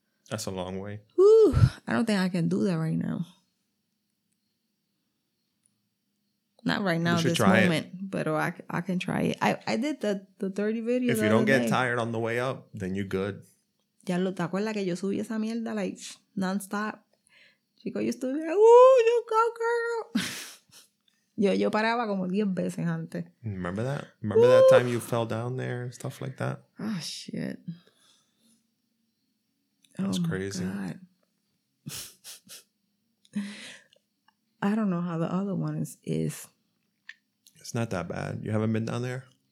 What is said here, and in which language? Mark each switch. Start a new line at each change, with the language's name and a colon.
English: That's a long way. Whew, I don't think I can do that right now. Not right now, this moment, but I can try it. I did the 30 videos. If you don't get tired on the way up, then you're good.
Spanish: Ya lo te acuerdas que yo subí esa mierda,
English: like, nonstop.
Spanish: Chico, yo estuve
English: like, ooh, you go, girl.
Spanish: yo paraba como 10 veces antes.
English: Remember that? Remember that time you fell down there and stuff like that? Oh, shit. That's crazy. God. I don't know how the other one is. It's not that bad. You haven't been down there?